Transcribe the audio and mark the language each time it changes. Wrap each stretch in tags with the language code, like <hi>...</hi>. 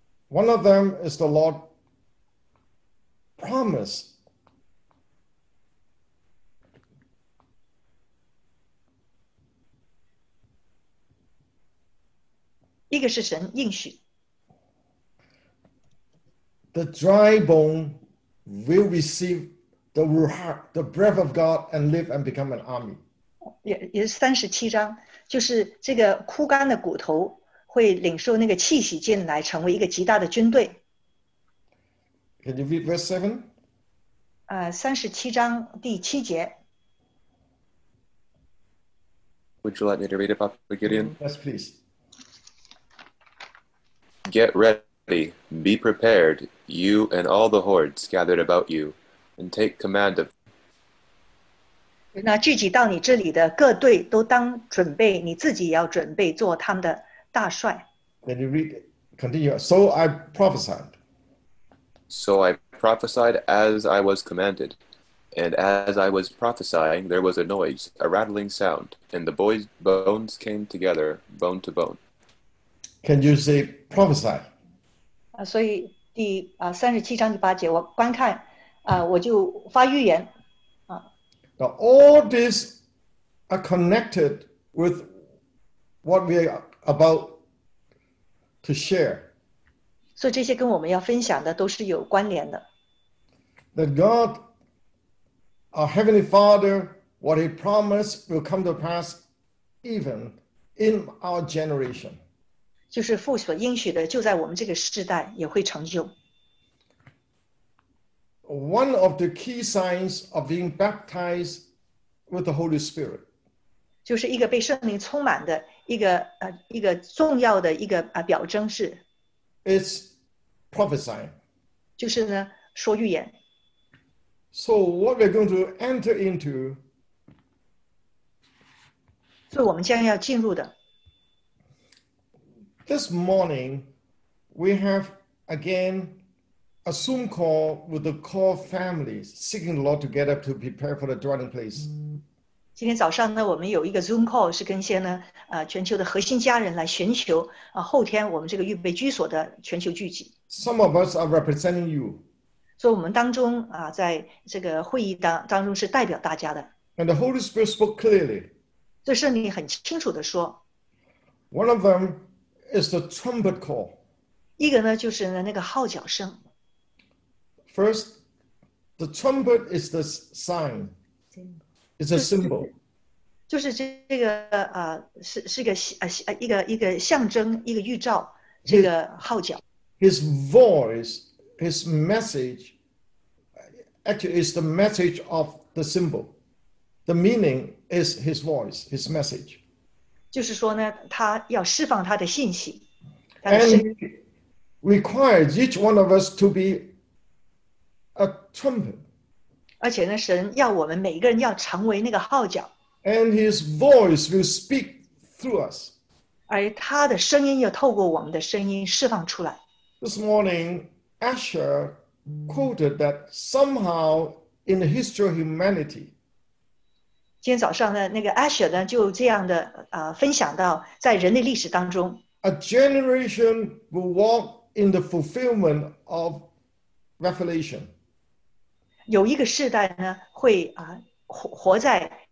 <en>One of them is the Lord promise The dry bone will receive the ruach, the breath of God, and live and become an army.</en> <zh>也是三十七章，就是这个枯干的骨头。会领受那个气息进来，成为一个极大的军队。</zh> <en>Can you read verse 7?</en> <zh>37章第七节。</zh> <en>Would you like me to read it, Papa Gideon? Yes, please. Get ready, be prepared, you and all the hordes gathered about you, and take command of.</en> <zh>那聚集到你这里的各队都当准备，你自己要准备做他们的。</zh> <en>Then you read, continue. So I prophesied. So I prophesied as I was commanded. And as I was prophesying, there was a noise, a rattling sound, and the boy's bones came together, bone to bone. Can you say prophesy?</en> <zh>所以第37章第八节，我观看，我就发预言。</zh> <en>Now all these are connected with what we are. About to share. So, these are what we are going to share. That God, our Heavenly Father, what He promised will come to pass even in our generation.</en> <zh>就是父所应许的就在我们这个世代也会成就。</zh> <en>One of the key signs of being baptized with the Holy Spirit.</en> <zh>就是一个被圣灵充满的一个重要的一个表征是</zh> <en>，is prophesying，</en> <zh>就是呢说预言。</zh> <en>So what we're going to enter into，</en> <zh>是我们将要进入的。</zh> <en>This morning we have again a Zoom call with the core families seeking the Lord together to prepare for the dwelling place.</en> <zh>今天早上呢，我们有一个 Zoom call， 是跟一些呢，全球的核心家人来寻求啊，后天我们这个预备居所的全球聚集。</zh> <en>Some of us are representing you。</en> <zh>所以，我们当中啊，在这个会议当中是代表大家的。</zh> <en>And the Holy Spirit spoke clearly。</en> <zh>所以，圣灵很清楚的说。</zh> <en>One of them is the trumpet call。</en> <zh>一个呢，就是呢那个号角声。</zh> <en>First, the trumpet is the sign。 It's a symbol.</en> <zh>就是这个是一个象征，一个预兆，这个号角。</zh> <en>His voice, his message, actually is the message of the symbol. The meaning is his voice, his message.</en> <zh>就是说呢，他要释放他的信息。</zh> <en>And requires each one of us to be a trumpet.</en> <zh>而且呢，神要我们每一个人要成为那个号角。</zh> <en>And His voice will speak through us.</en> <zh>而他的声音又透过我们的声音释放出来。</zh> <en>This morning, Asher quoted that somehow in the history of humanity.</en> <zh>今天早上呢，那个 Asher 呢就这样的分享到，在人类历史当中</zh> <en>，A generation will walk in the fulfillment of Revelation.</en> <zh>有一个世代呢，会活在</zh>